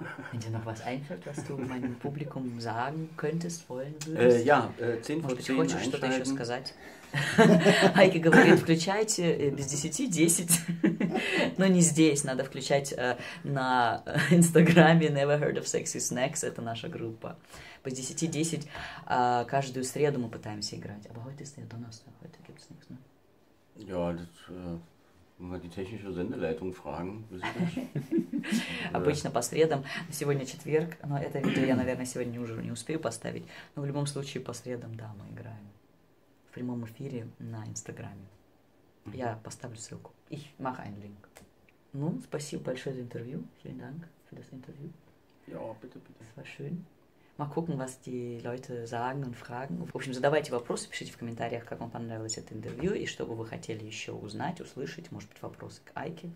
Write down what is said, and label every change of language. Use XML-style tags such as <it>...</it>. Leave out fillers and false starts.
<de>Wenn dir noch was einfällt, was du meinem Publikum sagen könntest, wollen würdest. Ja, 10 vor 10</de> <ru>Может быть, хочешь что-то еще сказать? Айки говорит, включайте без 10, 10. Но не здесь, надо включать на Инстаграме Never Heard of Sexy Snacks, это наша группа. Без 10, 10 каждую среду мы пытаемся играть.</ru> <de>Aber heute ist der Donnerstag, heute gibt's nichts, ne? Ja, das... Wenn wir die technische Sendeleitung fragen,</de> <ru>Обычно по средам. Сегодня четверг, но это видео я, наверное, сегодня уже не успею поставить. Но в любом случае по средам, да, мы играем. В прямом эфире на Инстаграме. Я поставлю ссылку.</ru> <de>Ich mache einen Link.</de> <ru>Ну, спасибо большое за интервью.</ru> <de>Vielen Dank für das Interview. Ja, bitte, bitte. Es war schön. Mal gucken, was die Leute sagen und fragen.</de> <ru>В общем, задавайте вопросы, пишите в комментариях, как вам понравилось это интервью и что бы вы хотели еще узнать, услышать. Может быть, вопросы к Айке.</ru>